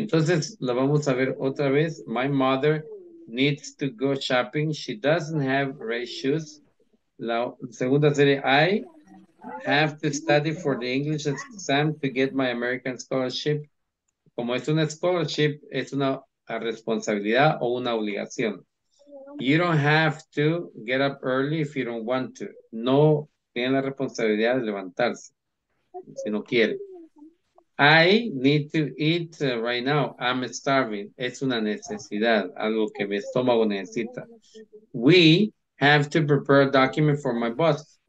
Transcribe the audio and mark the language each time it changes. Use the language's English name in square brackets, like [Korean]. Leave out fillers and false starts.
[Spanish] Entonces, lo vamos a ver otra vez. [English] My mother needs to go shopping. She doesn't have red shoes. [Spanish] La segunda serie, [English] I have to study for the English exam to get my American scholarship. [Spanish] Como es una scholarship, es una responsabilidad o una obligación. [English] You don't have to get up early if you don't want to. [Spanish] No tiene la responsabilidad de levantarse si no quiere. [English] I need to eat right now. I'm starving. [Spanish] Es una necesidad, algo que mi estómago necesita. [English] We have to prepare a document for my boss.